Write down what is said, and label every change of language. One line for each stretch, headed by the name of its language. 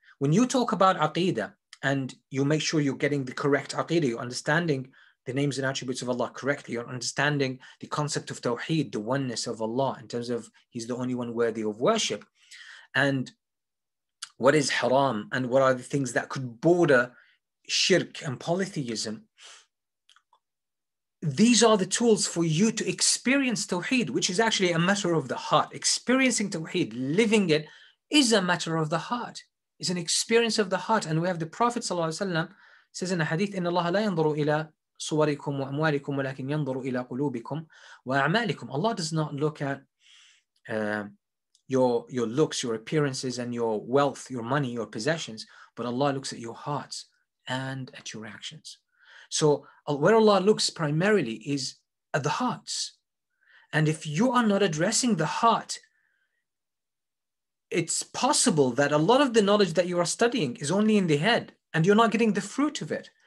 English: When you talk about aqidah, and you make sure you're getting the correct aqidah, you're understanding the names and attributes of Allah correctly, you're understanding the concept of tawheed, the oneness of Allah, in terms of he's the only one worthy of worship, and what is haram, and what are the things that could border shirk and polytheism. These are the tools for you to experience tawheed, which is actually a matter of the heart. Experiencing tawheed, living it, is a matter of the heart. It's an experience of the heart. And we have the Prophet ﷺ says in a hadith,
Arabic: إِنَّ اللَّهَ لَا يَنْظُرُ إِلَى صُوَرِكُمْ وَأَمْوَالِكُمْ وَلَكِنْ يَنْظُرُ إِلَى قُلُوبِكُمْ وَأَعْمَالِكُمْ.
English: Allah does not look at your looks, your appearances, and your wealth, your money, your possessions, but Allah looks at your hearts and at your actions. So where Allah looks primarily is at the hearts. And if you are not addressing the heart, it's possible that a lot of the knowledge that you are studying is only in the head, and you're not getting the fruit of it.